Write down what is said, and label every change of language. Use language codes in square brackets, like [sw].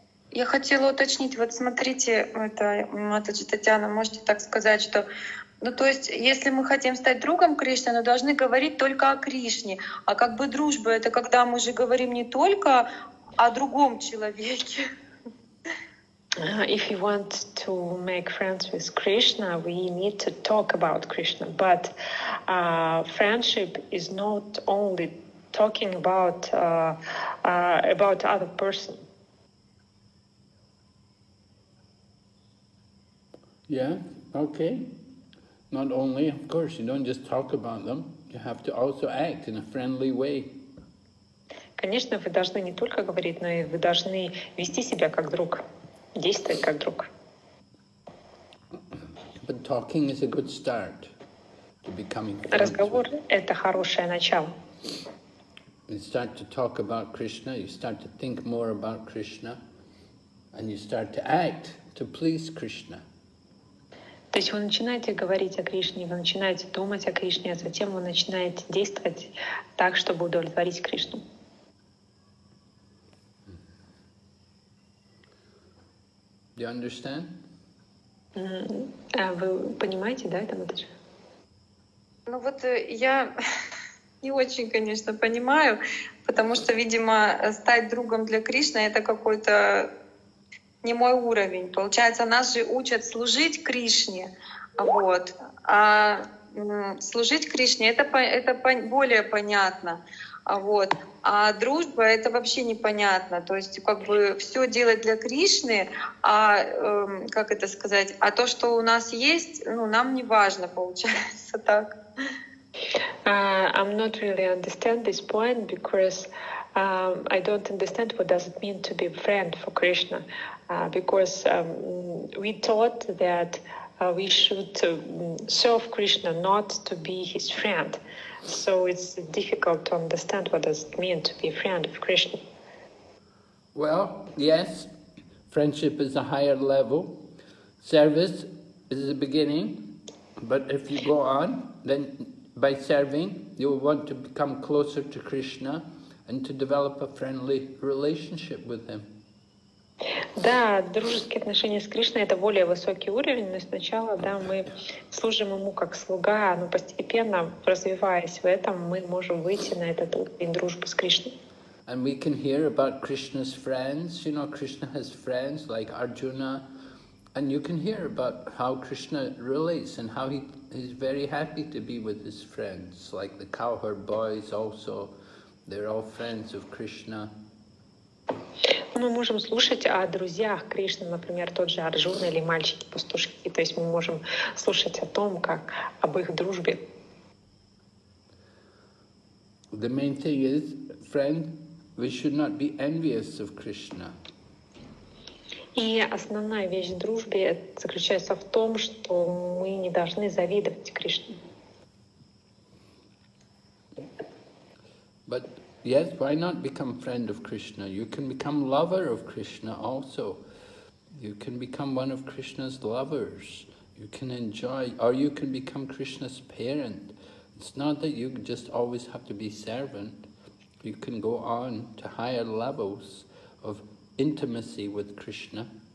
[ru] Я хотела уточнить, вот смотрите, это Матаджи Татьяна, можете так сказать, что ну то есть, если мы хотим стать другом Кришны, мы должны говорить только о Кришне. А как бы дружба — это когда мы же говорим не только о другом человеке. [en] If you want to make friends with Krishna, we need to talk about Krishna. But friendship is not only talking about other person. Yeah, okay. Not only, of course, you don't just talk about them. You have to also act in a friendly way. [ru] Конечно, вы должны не только говорить, но и вы должны вести себя как друг. Действовать как друг. [en] But talking is a good start to becoming friends. [ru] Разговор — это хорошее начало. [en] You start to talk about Krishna, you start to think more about Krishna, and you start to act to please Krishna. [ru] То есть вы начинаете говорить о Кришне, вы начинаете думать о Кришне, а затем вы начинаете действовать так, чтобы удовлетворить Кришну. [en] Do you understand? [ru] Вы понимаете, да, это вот? Ну вот я не очень, конечно, понимаю, потому что, видимо, стать другом для Кришны — это какой-то не мой уровень. Получается, нас же учат служить Кришне, вот. А служить Кришне — это более понятно, вот. А дружба — это вообще непонятно. То есть как бы все делать для Кришны, а как это сказать, а то, что у нас есть, ну, нам не важно, получается так. [en] I'm not really understand this point because I don't understand what does it mean to be friend for Krishna. Because we thought that we should serve Krishna, not to be his friend. So it's difficult to understand what does it mean to be a friend of Krishna. Well, yes, friendship is a higher level. Service is the beginning, But if you go on, then by serving, you will want to become closer to Krishna and to develop a friendly relationship with him. [ru] Да, дружеские отношения с Кришной — это более высокий уровень, но сначала, да, мы служим ему как слуга, но постепенно, развиваясь в этом, мы можем выйти на этот уровень дружбы с Кришной. [en] And we can hear about Krishna's friends, you know, Krishna has friends like Arjuna, and you can hear about how Krishna relates and how he is very happy to be with his friends, like the cowherd boys also, they're all friends of Krishna. [ru] Мы можем слушать о друзьях Кришны, например, тот же Арджуна или мальчики-пастушки. То есть мы можем слушать о том, как об их дружбе. [en] The main thing is, friend, we should not be envious of Krishna. [ru] И основная вещь в дружбе заключается в том, что мы не должны завидовать Кришне. [en] But yes, why not become friend of Krishna? You can become lover of Krishna also. You can become one of Krishna's lovers. You can enjoy, or you can become Krishna's parent. It's not that you just always have to be servant. You can go on to higher levels of intimacy with Krishna.